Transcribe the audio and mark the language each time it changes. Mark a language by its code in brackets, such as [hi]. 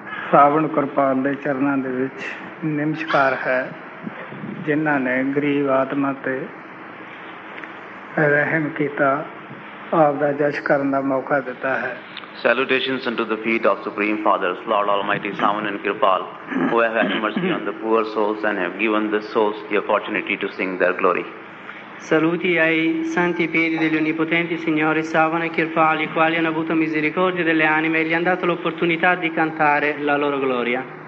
[pa] ਸਾਵਣ ਕਿਰਪਾਲ ਦੇ ਚਰਨਾਂ ਦੇ ਵਿੱਚ ਨਮਸਕਾਰ ਹੈ ਜਿਨ੍ਹਾਂ ਨੇ ਗਰੀਬ ਆਤਮਾ 'ਤੇ ਰਹਿਮ ਕੀਤਾ ਆਪਦਾ ਜਸ਼ ਕਰਨ ਦਾ ਮੌਕਾ ਦਿੱਤਾ ਹੈ [en] Salutations unto the feet of Supreme Fathers, Lord Almighty Savan and Kirpal, who have had mercy on the poor souls and have given the souls the opportunity to sing their glory. [it] Saluti ai santi piedi degli onnipotenti signori Savan e Kirpal, i quali hanno avuto misericordia delle anime e gli hanno dato l'opportunità di cantare la loro gloria.